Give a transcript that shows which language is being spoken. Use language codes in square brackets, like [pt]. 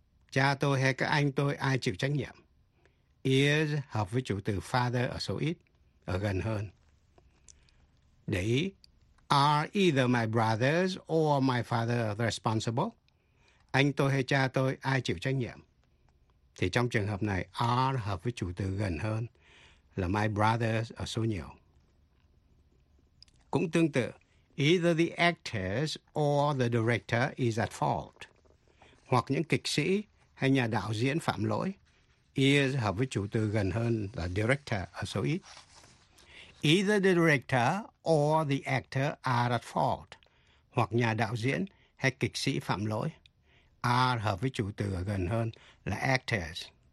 [vi] Cha tôi hay các anh tôi ai chịu trách nhiệm? Is hợp với chủ từ father ở số ít, ở gần hơn. Để ý. [en] Are either my brothers or my father responsible? [vi] Anh tôi hay cha tôi, ai chịu trách nhiệm? Thì trong trường hợp này, are hợp với chủ từ gần hơn là my brothers ở số nhiều. Cũng tương tự, [en] either the actors or the director is at fault. [vi] Hoặc những kịch sĩ hay nhà đạo diễn phạm lỗi. Is hợp với chủ từ gần hơn là director ở số ít. [en] Either the director or the actor are at fault. [vi] Hoặc nhà đạo diễn hay kịch sĩ phạm lỗi. Are hợp với chủ từ gần hơn là actors.